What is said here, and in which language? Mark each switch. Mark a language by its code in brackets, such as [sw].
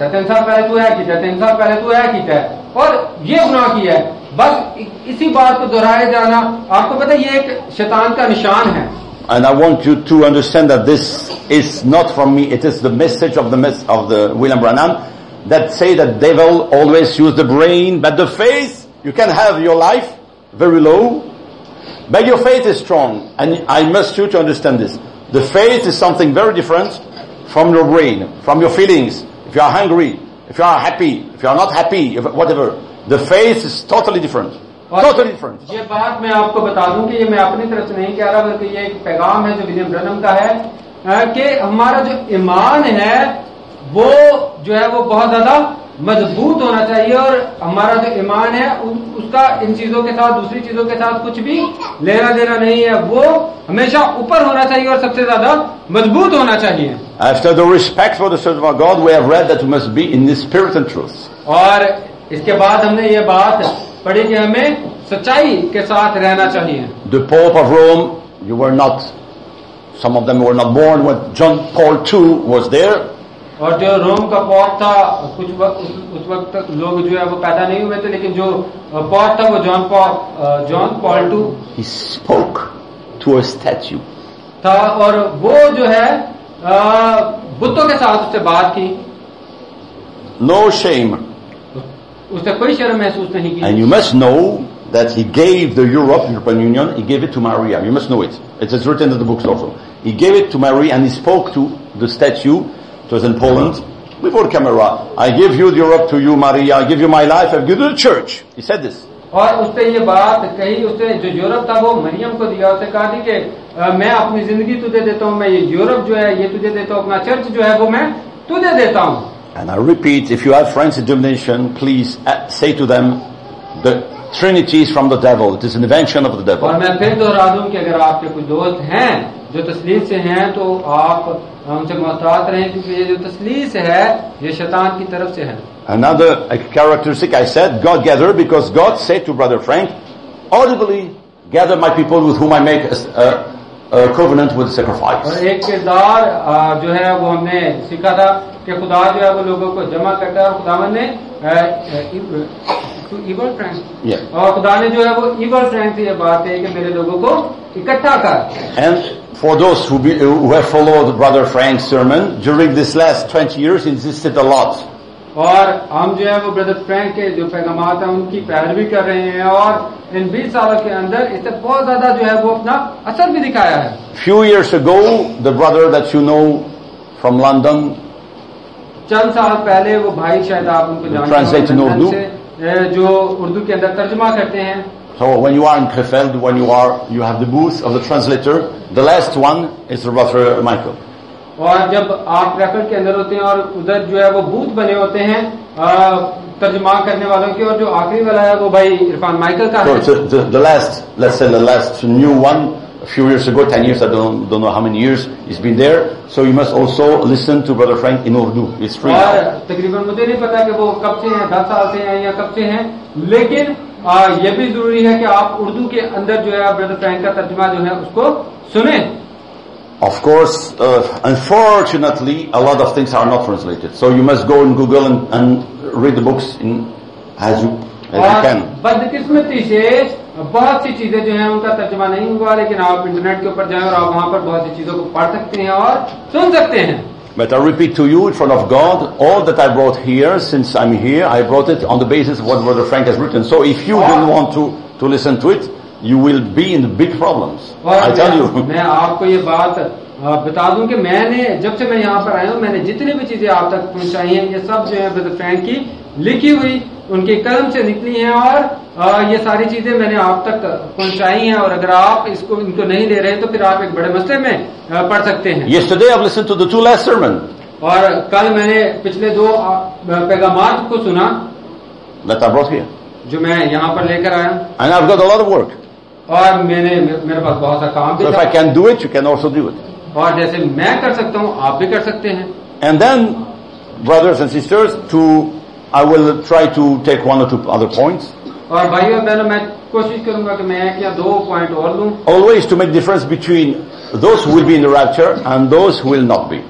[en] and this is the mark of the devil [hi] और ये गुनाह किया है बस इसी बात को दोहराए जाना आपको पता है ये एक शैतान का निशान है [en] And I want you to understand that this is not from me. It is the message of the William Branham that say that devil always use the brain, but the faith, you can have your life very low, but your faith is strong. And I must you to understand this. The faith is something very different from your brain, from your feelings. If you are hungry, if you are happy, if you are not happy, whatever. The faith is totally different. Totally different. [hi] ये बात मैं आपको बता दूं कि ये मैं अपनी तरफ से नहीं कह रहा, बल्कि ये एक पैगाम है जो विलियम ब्रैनम का है कि हमारा जो ईमान है वो जो है वो बहुत ज्यादा मजबूत होना चाहिए और हमारा जो ईमान है उसका इन चीजों के साथ, दूसरी चीजों के साथ कुछ भी लेना देना नहीं है. वो हमेशा ऊपर होना चाहिए और सबसे ज्यादा मजबूत होना चाहिए. [en] After the respect for the servant of our God, we have read that we must be in the spirit and truth. [hi] और इसके बाद हमने ये बात पढ़ी कि हमें सच्चाई के साथ रहना चाहिए. [en] The Pope of Rome, you were not, some of them were not born when John Paul II was there. [hi] और जो रोम का पॉप था कुछ वक्त, उस वक्त तक लोग जो है वो पैदा नहीं हुए थे, लेकिन जो पॉप था वो John Paul, John Paul to, [en] he spoke to a statue [hi] था और वो जो है बुतों के साथ उससे बात की. [en] No shame, [hi] उसने कोई शर्म महसूस नहीं की. [en] And you must know that he gave the European Union, he gave it to Maria. You must know it. It is written in the books also. He gave it to Maria and he spoke to the statue. It was in Poland, before the camera. I give you the Europe to you, Maria. I give you my life. I give you the church. He said this. [hi] और उसने ये बात कही, उसने जो Europe था वो मरियम को दिया. उसने कहा थी कि मैं अपनी जिंदगी तुझे देता हूँ, मैं ये यूरोप जो है ये तुझे देता हूँ, अपना चर्च जो है वो मैं तुझे देता हूँ. [en] And I repeat, if you have friends in denomination, please say to them, the Trinity is from the devil. It is an invention of the devil. [hi] और मैं फिर दोहरा दूं कि अगर आपके कुछ दोस्त हैं जो तस्लीस से हैं तो आप हमसे मोहतात रहें, क्योंकि ये जो तस्लीस है ये शैतान की तरफ से है. [en] Another characteristic I said, God gathered, because God said to Brother Frank, audibly gather my people with whom I make a covenant with sacrifice. [hi] और एक किरदार जो है वो हमने सीखा था कि खुदा जो है वो लोगों को जमा करता है. खुदावन ने इवल फ्रेंक, [en] yeah. [hi] और खुदा ने जो है वो इवल फ्रेंक से ये बात है कि मेरे लोगों को इकट्ठा कर. [en] And for those who have followed Brother Frank's sermon during this last 20 years, insisted a lot. [hi] और हम जो है वो ब्रदर फ्रैंक के जो पैगाम आते हैं उनकी पैरवी कर रहे हैं और इन 20 सालों के अंदर इससे बहुत ज्यादा जो है वो अपना असर भी दिखाया है. [en] Few years ago, the brother that you know from London, [hi] चंद साल पहले वो भाई शायद आप उनको जानते हैं, [en] translate in Urdu, [hi] जो उर्दू के अंदर तर्जुमा करते हैं. [en] So when you are in Krefeld, when you are, you have the booth of the translator. The last one is the brother Michael. [hi] और जब आप Krefeld के अंदर होते हैं और उधर जो है वो बूथ बने होते हैं तर्जमा करने वालों की, और जो आखिरी वाला है वो भाई इरफान माइकल का. [en] So the last, let's say the last new one, a few years ago, 10 years, I don't know how many years he's been there. So you must also listen to Brother Frank in Urdu. It's free. [hi] और तकरीबन मुझे नहीं पता कि वो कब से हैं, 10 साल से हैं या कब से हैं, लेकिन ये भी जरूरी है कि आप उर्दू के अंदर जो है ब्रदर फ्रैंक का तर्जमा जो है उसको सुने. [en] Of course unfortunately a lot of things are not translated, so you must go in Google and read the books in as you can. [hi] बदकिस्मती से बहुत सी चीजें जो है उनका तर्जमा नहीं हुआ, लेकिन आप इंटरनेट के ऊपर जाएं और आप वहां पर बहुत सी चीजों को पढ़ सकते हैं और सुन सकते हैं. [en] But I repeat to you, in front of God, all that I brought here, since I'm here, I brought it on the basis of what Brother Frank has written. So if you don't want to listen to it, you will be in big problems. I tell you. [hi] मैं आपको ये बात बता दूं कि मैंने जब से मैं यहाँ पर आया हूँ, मैंने जितनी भी चीजें आप तक पहुँचाई हैं, ये सब जो है Brother Frank की लिखी हुई, उनके कलम से निकली हैं, और ये सारी चीजें मैंने आप तक पहुंचाई हैं, और अगर आप इसको इनको नहीं ले रहे हैं तो फिर आप एक बड़े मसले में पड़ सकते हैं. [en] Yesterday I've listened to the two last sermon. [hi] और कल मैंने पिछले दो पैगामात को सुना. [en] That I brought here. [hi] जो मैं यहाँ पर लेकर आया. [en] And I've got a lot of work. [hi] और मैंने, मेरे पास बहुत सा काम भी. [en] So if I can do it, you can also do it. [hi] और जैसे मैं कर सकता हूँ आप भी कर सकते हैं. [en] And then, brothers and sisters, I will try to take one or two other points. [hi] और भाई और बहनों, मैं कोशिश करूंगा कि मैं एक या दो पॉइंट और लूं. [en] Always to make difference between those who will be in the rapture and those who will not be.